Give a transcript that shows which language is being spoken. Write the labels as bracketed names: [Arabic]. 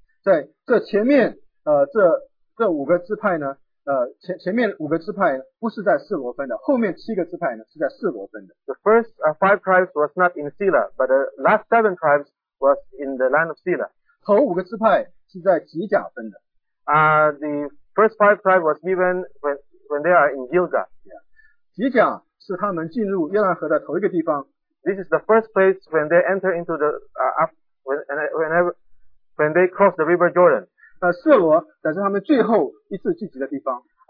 [Chinese] 在这前面，这五个支派呢，前面五个支派不是在示罗分的，后面七个支派呢是在示罗分的。 [English] The first five tribes was not in Sela, but the last seven tribes was in the land of Sela. [Chinese] 头五个支派是在吉甲分的。 [English] The first five tribes was given when they are in Gilgal. [Chinese] Yeah. 吉甲是他们进入约旦河的头一个地方。 [English] This is the first place when they enter into the when they cross the river Jordan. [Chinese] 示罗乃是他们最后一次聚集的地方。